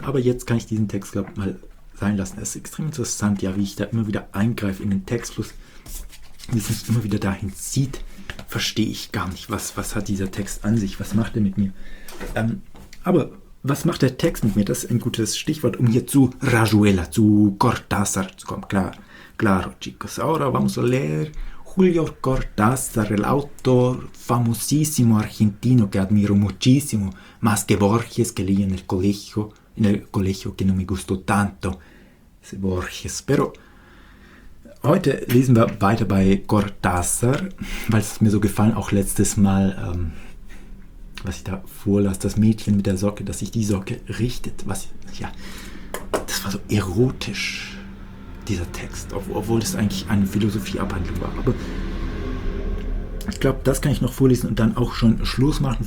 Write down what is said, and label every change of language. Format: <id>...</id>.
<de>Aber jetzt kann ich diesen Text, glaube ich, mal sein lassen. Es ist extrem interessant, ja, wie ich da immer wieder eingreife in den Textfluss, wie es mich immer wieder dahin zieht. Verstehe ich gar nicht, was hat dieser Text an sich, was macht er mit mir. Aber was macht der Text mit mir? Das ist ein gutes Stichwort, um hier zu Rajuela, zu Cortázar zu kommen.</de> <es>Claro, chicos, ahora vamos a leer. Julio Cortázar, el autor famosísimo argentino que admiro muchísimo, más que Borges, que leí en el colegio que no me gustó tanto, ese Borges. Pero</es> <de>heute lesen wir weiter bei Cortázar, weil es mir so gefallen, auch letztes Mal, was ich da vorlas, das Mädchen mit der Socke, dass sich die Socke richtet, was, ja, das war so erotisch. Dieser Text, obwohl es eigentlich eine Philosophieabhandlung war. Aber ich glaube, das kann ich noch vorlesen und dann auch schon Schluss machen.</de>